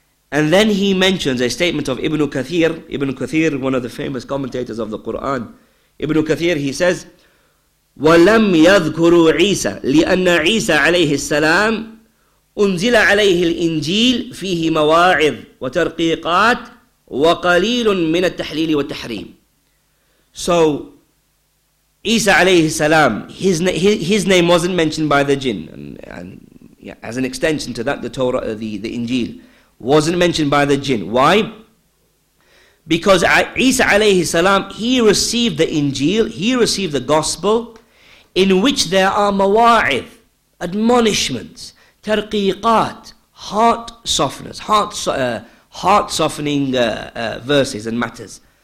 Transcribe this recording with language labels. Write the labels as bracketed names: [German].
[English] And then he mentions a statement of Ibn Kathir, one of the famous commentators of the Quran. Ibn Kathir, he says, [Arabic] وَلَمْ يَذْكُرُوا عِيسَى لِأَنَّ عِيسَى عَلَيْهِ السَّلَامِ أنزل عليه الإنجيل فيه مواعظ وترقيقات وقليل من التحليل والتحريم. [English] So, Isa alayhi salam, his name wasn't mentioned by the jinn, and as an extension to that, the Torah, the Injil, wasn't mentioned by the jinn. Why? Because Isa alayhi salam, he received the Injil, he received the Gospel, in which there are mawa'id, admonishments, tarqiqat, heart softeners, heart softening verses and matters.